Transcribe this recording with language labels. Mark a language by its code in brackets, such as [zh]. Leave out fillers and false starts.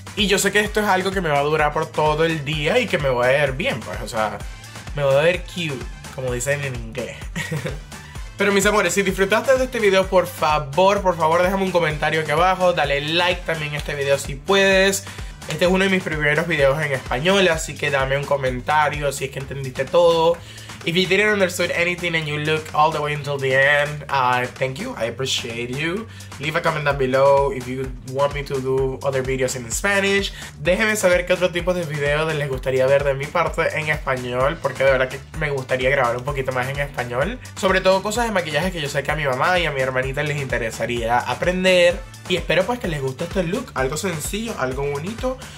[es] Y yo sé que esto es algo que me va a durar por todo el día y que me voy a ver bien, pues. O sea, me voy a ver cute, como dicen en inglés. Pero mis amores, si disfrutaste de este video, por favor, déjame un comentario aquí abajo. Dale like también a este video si puedes. Este es uno de mis primeros videos en español, así que dame un comentario si es que entendiste todo. [en] If you didn't understand anything and you look all the way until the end, thank you, I appreciate you. Leave a comment down below if you want me to do other videos in Spanish. [es] Déjenme saber qué otro tipo de videos les gustaría ver de mi parte en español, porque de verdad que me gustaría grabar un poquito más en español. Sobre todo cosas de maquillaje que yo sé que a mi mamá y a mi hermanita les interesaría aprender. Y espero pues que les guste este look, algo sencillo, algo bonito.